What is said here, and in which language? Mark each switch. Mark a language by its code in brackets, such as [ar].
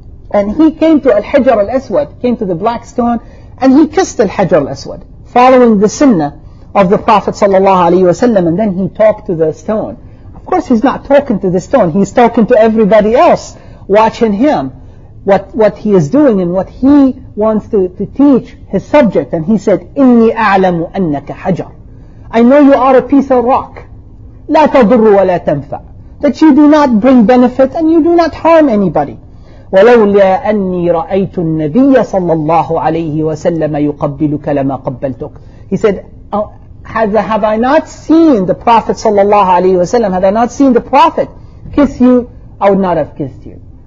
[en] And he came to Al-Hijr al-Aswad, came to the black stone, and he kissed Al-Hijr al-Aswad, following the sunnah of the Prophet sallallahu alaihi wasallam, and then he talked to the stone. Of course, he's not talking to the stone, he's talking to everybody else watching him, what he is doing and what he wants to teach his subject. And he said, [ar] إِنِّي أَعْلَمُ أَنَّكَ حَجَرٌ. [en] I know you are a piece of rock. [ar] لَا تَضُرُّ وَلَا تَنْفَعُ. [en] That you do not bring benefit and you do not harm anybody. [ar] وَلَوْلَا أَنِّي رَأَيْتُ النَّبِيَّ صَلَّى اللَّهُ عَلَيْهِ وَسَلَّمَ يُقَبِّلُكَ لَمَا قَبَّلْتُكَ. [en] He said, have I not seen the Prophet sallallahu alayhi wa sallam, had I not seen the Prophet kiss you, I would not have kissed you.